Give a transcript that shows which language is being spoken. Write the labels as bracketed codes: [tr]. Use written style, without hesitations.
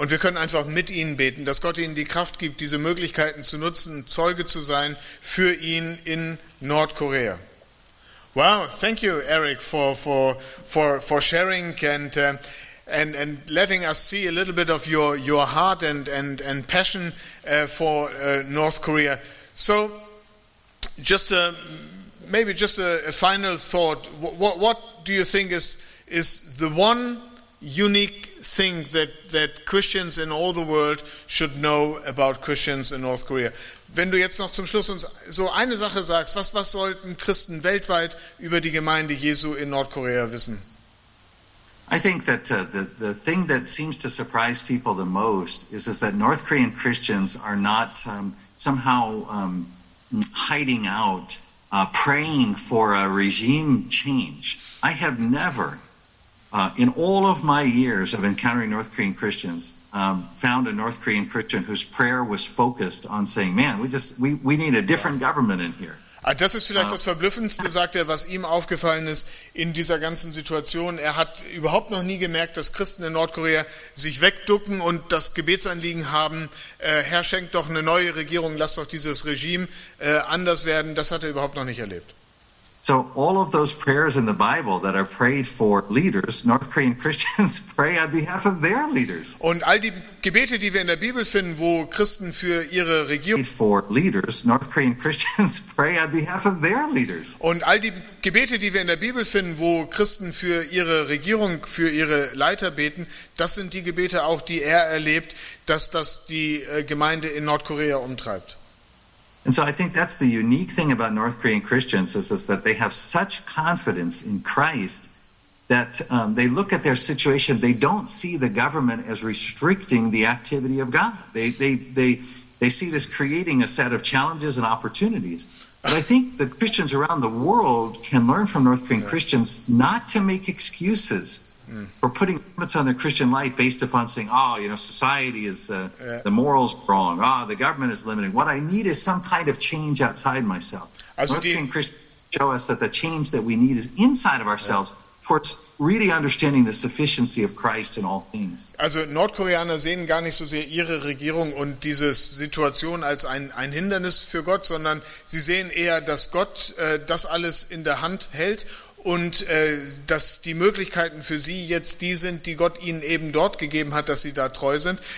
[de] Und wir können einfach mit ihnen beten, dass Gott ihnen die Kraft gibt, diese Möglichkeiten zu nutzen, Zeuge zu sein für ihn in Nordkorea. [en] Wow, thank you, Eric, for sharing and letting us see a little bit of your heart and passion for North Korea. So, Maybe just a final thought. What do you think is the one unique thing that Christians in all the world should know about Christians in North Korea? [de] Wenn du jetzt noch zum Schluss uns so eine Sache sagst, was sollten Christen weltweit über die Gemeinde Jesu in Nordkorea wissen? [en] I think that the thing that seems to surprise people the most is that North Korean Christians are not somehow hiding out, praying for a regime change. I have never, in all of my years of encountering North Korean Christians, found a North Korean Christian whose prayer was focused on saying, man, we need a different government in here. [de] Das ist vielleicht das Verblüffendste, sagt er, was ihm aufgefallen ist in dieser ganzen Situation. Er hat überhaupt noch nie gemerkt, dass Christen in Nordkorea sich wegducken und das Gebetsanliegen haben, Herr, schenkt doch eine neue Regierung, lass doch dieses Regime anders werden. Das hat er überhaupt noch nicht erlebt. [en] So all of those prayers in the Bible that are prayed for leaders, North Korean Christians pray on behalf of their leaders. [de] Und all die Gebete, die wir in der Bibel finden, wo Christen für ihre Regierung [en] prayed for leaders, North Korean Christians pray on behalf of their leaders. [de] Und all die Gebete, die wir in der Bibel finden, wo Christen für ihre Regierung, für ihre Leiter beten, das sind die Gebete auch, die er erlebt, dass das die Gemeinde in Nordkorea umtreibt. [en] And so I think that's the unique thing about North Korean Christians is that they have such confidence in Christ that they look at their situation, they don't see the government as restricting the activity of God. They see this creating a set of challenges and opportunities. But I think that Christians around the world can learn from North Korean Christians not to make excuses for putting limits on their Christian life based upon saying, oh, you know, society is, the morals are wrong, oh, the government is limiting. What I need is some kind of change outside myself. [de] Also [en] North Korean Christians show us that the change that we need is inside of ourselves towards really understanding the sufficiency of Christ in all things. [de] Also Nordkoreaner sehen gar nicht so sehr ihre Regierung und diese Situation als ein Hindernis für Gott, sondern sie sehen eher, dass Gott das alles in der Hand hält und dass die Möglichkeiten für sie jetzt die sind, die Gott ihnen eben dort gegeben hat, dass sie da treu sind.